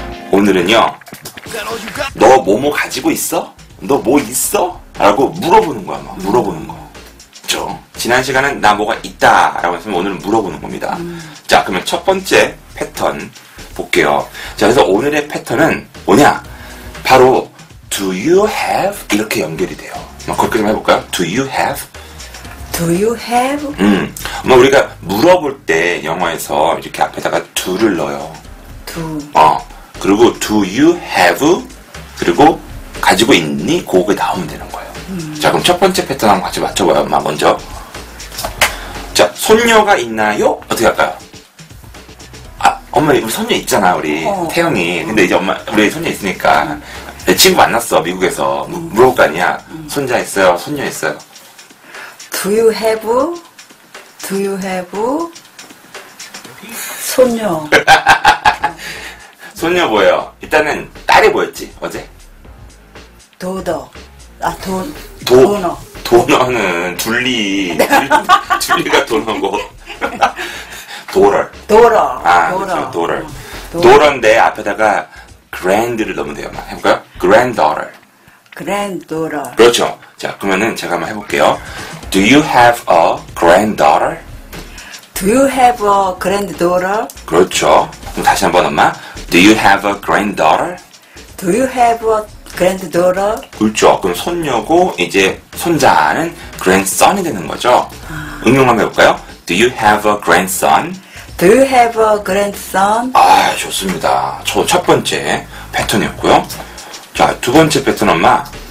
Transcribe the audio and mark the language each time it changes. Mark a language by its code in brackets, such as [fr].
[ko] 오늘은요, 너 뭐뭐 가지고 있어? 너 뭐 있어? 라고 물어보는 거야, 막 물어보는 거. 지난 시간은 나 뭐가 있다 라고 했으면 오늘은 물어보는 겁니다. 자, 그러면 첫 번째 패턴 볼게요. 자, 그래서 오늘의 패턴은 뭐냐? [en] 바로 Do you have? [ko] 이렇게 연결이 돼요. 그렇게 좀 해볼까요? [en] Do you have? Do you have? [ko] 뭐 우리가 물어볼 때 영어에서 이렇게 앞에다가 do를 넣어요. [en] Do. [ko] 그리고 [en] Do you have? [ko] 그리고 가지고 있니? 그거 나오면 되는 거예요. 자, 그럼 첫 번째 패턴 한번 같이 맞춰봐요, 엄마, 먼저. 자, 손녀가 있나요? 어떻게 할까요? 아, 엄마, 우리 손녀 있잖아, 우리. 태영이. 근데 이제 엄마, 우리 손녀 있으니까. 내 친구 만났어, 미국에서. 물어볼 거 아니야. 손자 있어요? 손녀 있어요? [en] Do you have? Do you have? 손녀. [ko] 손녀 보여. 일단은 딸이 보였지, 어제. 도더. 아, 돈. 도너. 도너는 둘리. 둘리가 도너고. 도럴. 도럴. 아, 도럴. 도럴. 도런데 앞에다가 grand를 넣으면 돼요. 한번 해볼까요? granddaughter. [en] granddaughter. [ko] 그렇죠. 자, 그러면은 제가 한번 해볼게요. [en] Do you have a granddaughter? Do you have a granddaughter? [ko] 그렇죠. 그럼 다시 한번 엄마. [en] Do you have a granddaughter? Do you have a granddaughter? [ko] 그렇죠. 그럼 손녀고 이제 손자는 grandson이 되는 거죠. 응용 한번 해볼까요? [en] Do you have a grandson? Do you have a grandson? [ko] 아, 좋습니다. 저 첫 번째 패턴이었고요. 자, 두 번째 패턴 엄마.